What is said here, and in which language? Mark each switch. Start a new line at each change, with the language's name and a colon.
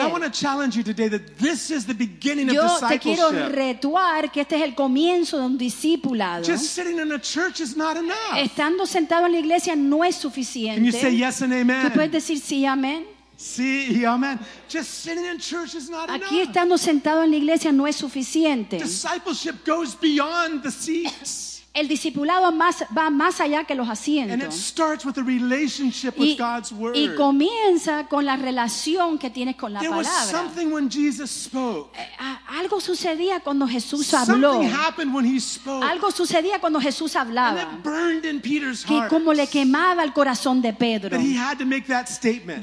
English: And I want to challenge you today that this is the beginning
Spanish: yo
English: of discipleship.
Spanish: Yo te quiero retuar que este es el comienzo de un discipulado.
English: Just sitting in a church is not enough.
Spanish: Estando sentado en la iglesia no es suficiente.
English: Can you say yes and amen?
Spanish: ¿Tú puedes decir sí, amén? Sí, amén.
English: Just sitting in church is not
Spanish: aquí
English: enough.
Spanish: Estando sentado en la iglesia no es suficiente.
English: Discipleship goes beyond the seats.
Spanish: El discipulado va más allá que los asientos.
English: And it starts with a relationship with God's word.
Spanish: Y comienza con la relación que tienes con la palabra.
English: There was something when Jesus spoke.
Spanish: Algo sucedía cuando Jesús habló.
English: Something happened when he spoke.
Spanish: Algo sucedía cuando Jesús hablaba.
English: And it burned in Peter's heart.
Spanish: Que como le quemaba el corazón de Pedro.
English: That he had to make that statement.